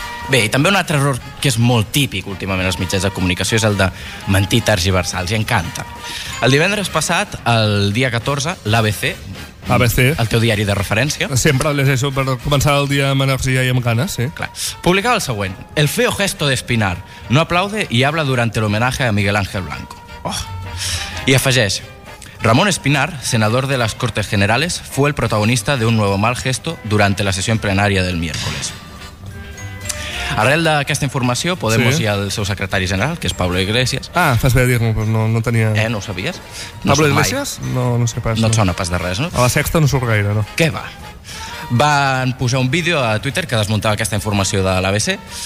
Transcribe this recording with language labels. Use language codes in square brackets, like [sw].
[ca] Bé, i també un altre error que és molt típic últimament als mitjans de comunicació és el de mentir tergiversals, i encanta. El divendres passat, el dia 14, l'ABC, el teu diari de referència... Sempre les llegeixo per començar el dia amb energia i amb ganes, sí. Clar. Publicava el següent. [es] El feo gesto de Espinar no aplaude y habla durante el homenaje a Miguel Ángel Blanco. Oh. [ca] I afegeix... [es] Ramón Espinar, senador de las Cortes Generales, fue el protagonista de un nuevo mal gesto durante la sesión plenaria del miércoles. [ca] Arrel d'aquesta informació, Podemos sí. i el seu secretari general, que és Pablo Iglesias... Ah, fas bé a dir-m'ho, però no tenia... No ho sabies? Pablo Iglesias? No sé pas. No et sona pas de res, no? A la Sexta no surt gaire, no. Què va? Van posar un vídeo a Twitter que desmuntava aquesta informació de l'ABC...